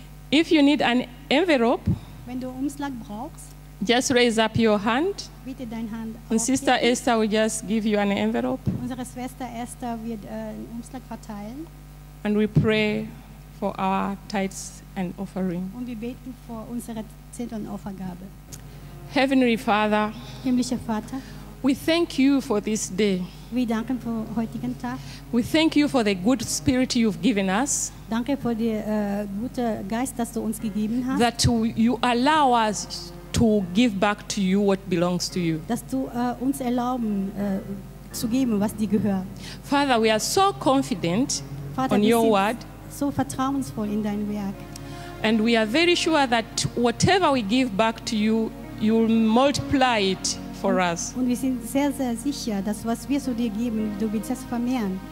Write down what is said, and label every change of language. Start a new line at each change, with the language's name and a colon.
English: If you need an envelope,
German: wenn du Umschlag brauchst,
English: just raise up your hand.
German: Bitte deine Hand.
English: Und Sister Esther will just give you an envelope.
German: Unsere Schwester Esther wird einen Umschlag verteilen.
English: And we pray for our tithes and offering.
German: Und wir beten für unsere Zehntel und Opfergabe.
English: Heavenly Father,
German: himmlischer Vater,
English: we thank you for this day.
German: Wir danken für heutigen Tag.
English: We thank you for the good spirit you've given us.
German: Danke für den guten Geist, dass du uns gegeben hast.
English: That you allow us to give back to you what belongs to you.
German: Dass du uns erlauben zu geben, was dir gehört.
English: Father, we are so confident,
German: Vater,
English: on your word.
German: So vertrauensvoll in dein Werk.
English: And we are very sure that whatever we give back to you, you will multiply it for us.
German: Und wir sind sehr, sehr sicher, dass was wir zu dir geben, du willst es vermehren.